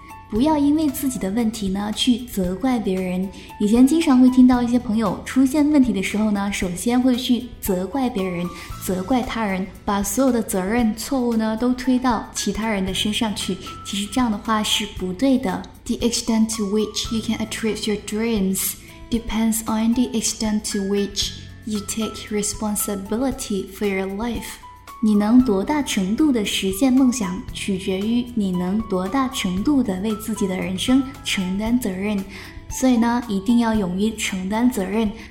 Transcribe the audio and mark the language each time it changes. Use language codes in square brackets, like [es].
[zh] 不要因为自己的问题呢去责怪别人。以前经常会听到一些朋友出现问题的时候呢，首先会去责怪别人，责怪他人，把所有的责任错误呢都推到其他人的身上去。其实这样的话是不对的。 [en] The extent to which you can attribute your dreams depends on the extent to which you take responsibility for your life. [zh] 你能多大程度的实现梦想，取决于你能多大程度的为自己的人生承担责任。所以呢，一定要勇于承担责任。